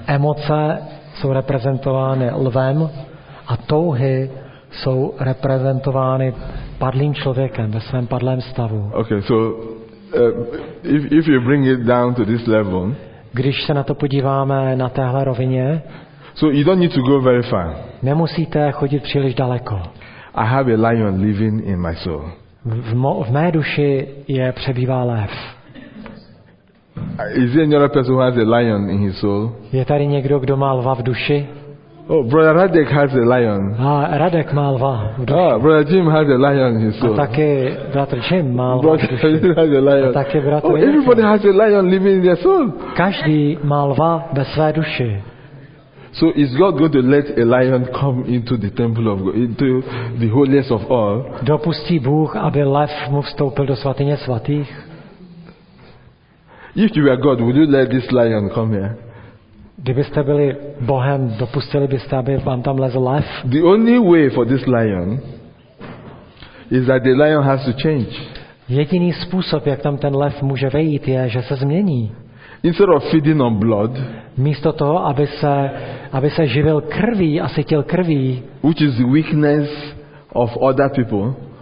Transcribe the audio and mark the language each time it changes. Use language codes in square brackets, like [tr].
[cs] Emoce jsou reprezentovány lvem. A touhy jsou reprezentovány padlým člověkem ve svém padlém stavu. [en] Okay, so if you bring it down to this level, [cs] když se na to podíváme na téhle rovině, [en] so you don't need to go very far. [cs] Nemusíte chodit příliš daleko. [en] I have a lion living in my soul. [cs] V mé duši je přebývá lev. [en] Is there another person who has a lion in his soul? [cs] Je tady někdo, kdo má lva v duši? [en] Oh, brother Radek has a lion. [cs] A Radek má lva v duši. [en] Oh, brother Jim has a lion in his soul. [cs] A taky bratr Jim má lva [en] brother [cs] v duši. [en] Has a lion. [cs] A taky bratr [en] Jim. Oh, everybody has a lion living in their soul. [cs] Každý má lva ve své duši. [en] So is God going to let a lion come into the temple of God, into the holiest of all? [cs] Dopustí Bůh, aby lev mu vstoupil do svatyně svatých? [en] If you were God, would you let this lion come here? [cs] Kdybyste byli Bohem, dopustili byste, aby vám tam lezl lev? [en] The only way for this lion is that the lion has to change. [cs] Jediný způsob, jak tam ten lev může vejít, je, že se změní. [en] Instead of feeding on blood, [cs] místo toho, aby se živil krví a sytil krví, [en] which is the weakness of other people,